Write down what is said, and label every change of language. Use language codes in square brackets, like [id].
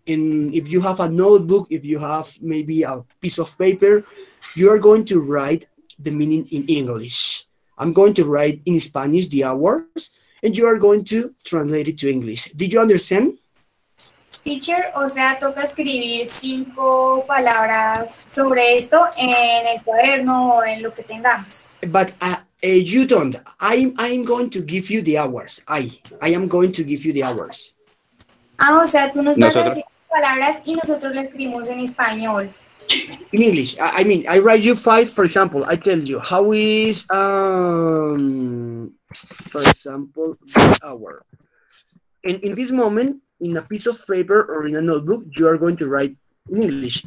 [en] And if you have a notebook, if you have maybe a piece of paper, you are going to write the meaning in English. I'm going to write in Spanish the hours, and you are going to translate it to English. Did you understand? [es] Teacher, o sea, toca escribir 5 palabras sobre esto en el cuaderno o en lo que tengamos. [en] But you don't. I'm going to give you the hours. I am going to give you the hours. [es] Ah, o sea, tú nos vas a decir 5 palabras y nosotros lo escribimos en español. [en] In English. I mean, I write you 5, for example. I tell you, how is, for example, the hour. And in this moment, in a piece of paper or in a notebook, you are going to write in English.